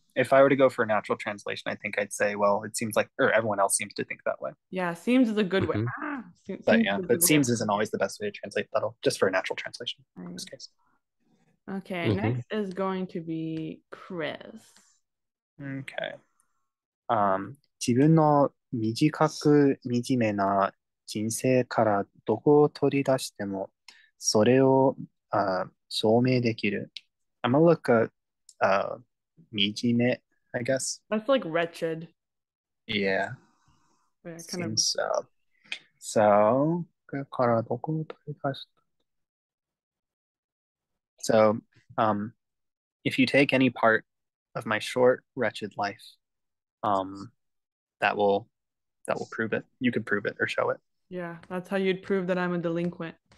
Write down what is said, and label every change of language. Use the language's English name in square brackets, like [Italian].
[English] if I were to go for a natural translation, I think I'd say, well, it seems like, or everyone else seems to think that way. Yeah, seems is a good way. Mm-hmm. Seems isn't always the best way to translate that, just for a natural translation in this case. Okay, mm-hmm. Next is going to be Chris. Okay. [Japanese] 自分の短く惨めな人生からどこを取り出してもそれを証明できる。 [English] I'm gonna look at 惨め、I guess. That's like wretched. Yeah. Seems so. [Japanese] So, からどこを取り出した? [English] So, if you take any part of my short, wretched life, that will prove it. You could prove it or show it. Yeah, that's how you'd prove that I'm a delinquent.